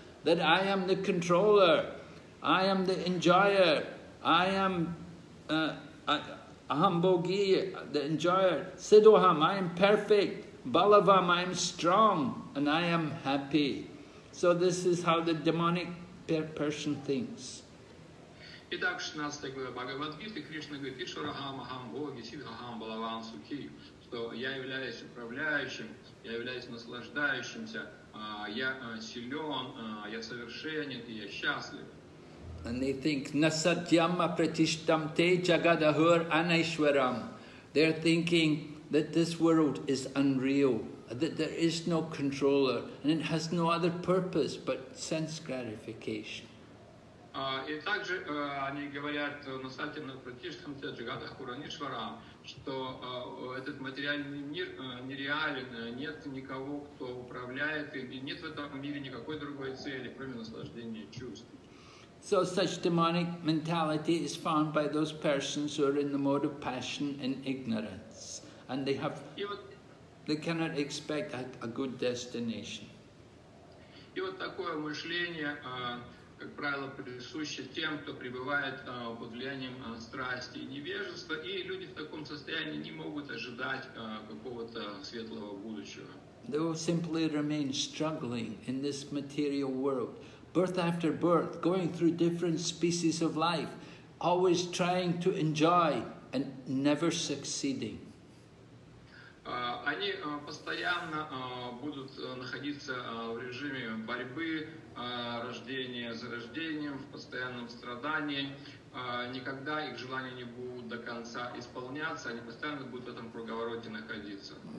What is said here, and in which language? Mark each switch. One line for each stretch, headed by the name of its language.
English: That I am the controller, I am the enjoyer, I am
Sanskrit: aham bhogi,
English: the enjoyer. Siddoham, I am perfect. Balavam, I am strong and I am happy. So this is how the demonic person thinks.
Russian: Итак, 16 главе Бхагавад-гиты Кришна говорит:
Sanskrit: Ишварахам Ахам Боги Сидхахам Балаван Сухи,
Russian: что я являюсь управляющим, я являюсь наслаждающимся, я силен, я совершенен и я счастлив.
English: And they think
Sanskrit: Насатьям Апратиштам Те Джагадахур Анайшварам.
English: They're thinking that this world is unreal, that there is no controller, and it has no other purpose but sense gratification.
Russian: И также они говорят на сайте на практическом джагатах Куранишварам, что этот материальный мир нереален, нет никого, кто управляет им, и нет в этом мире никакой другой цели, кроме наслаждения чувств.
English: So such demonic mentality is found by those persons who are in the mode of passion and ignorance, and they have. They cannot expect a good destination.
Russian: И вот такое мышление, как правило, присуще тем, кто пребывает под влиянием страсти и невежества, и люди в таком состоянии не могут ожидать какого-то светлого будущего.
English: They will simply remain struggling in this material world, birth after birth, going through different species of life, always trying to enjoy and never succeeding.
Russian: Они постоянно будут находиться в режиме борьбы, рождения за рождением, в постоянном страдании. Никогда их желания не будут до конца исполняться, они постоянно будут в этом круговороте находиться.